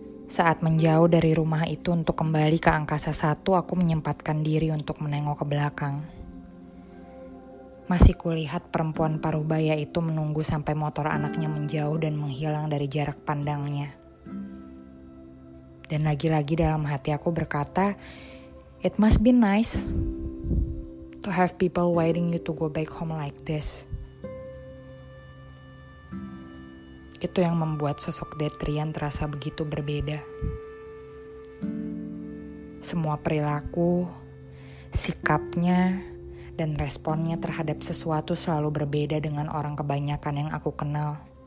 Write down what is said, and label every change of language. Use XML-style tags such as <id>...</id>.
<id>Saat menjauh dari rumah itu untuk kembali ke angkasa satu, aku menyempatkan diri untuk menengok ke belakang. Masih kulihat perempuan paruh baya itu menunggu sampai motor anaknya menjauh dan menghilang dari jarak pandangnya. Dan lagi-lagi dalam hati aku berkata,</id> <en>"It must be nice to have people waiting you to go back home like this."</en> <id>Itu yang membuat sosok Detrian terasa begitu berbeda. Semua perilaku, sikapnya, dan responnya terhadap sesuatu selalu berbeda dengan orang kebanyakan yang aku kenal.</id>